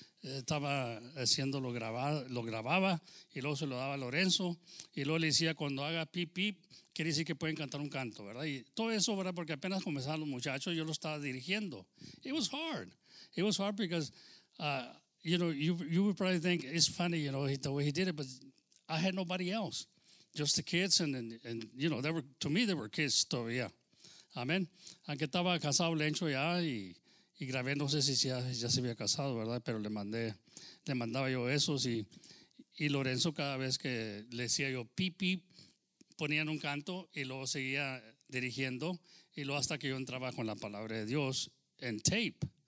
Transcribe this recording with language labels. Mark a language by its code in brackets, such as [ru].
[es] Estaba haciéndolo grabado, lo grababa, y luego se lo daba a Lorenzo. Y luego le decía, cuando haga pip, pip, quiere decir que pueden cantar un canto, ¿verdad? Y todo eso, ¿verdad? Porque apenas comenzaban los muchachos, yo lo estaba dirigiendo. [en] It was hard. It was hard because, you know, you would probably think, it's funny, you know, the way he did it, but I had nobody else, just the kids, and you know, they were kids todavía. [es] Amén. Aunque estaba casado Lencho ya y grabé, no sé si ya se había casado, ¿verdad? Pero le mandaba yo esos y Lorenzo cada vez que le decía yo pip, pip, ponían un canto y luego seguía dirigiendo y luego hasta que yo entraba con la palabra de Dios en tape.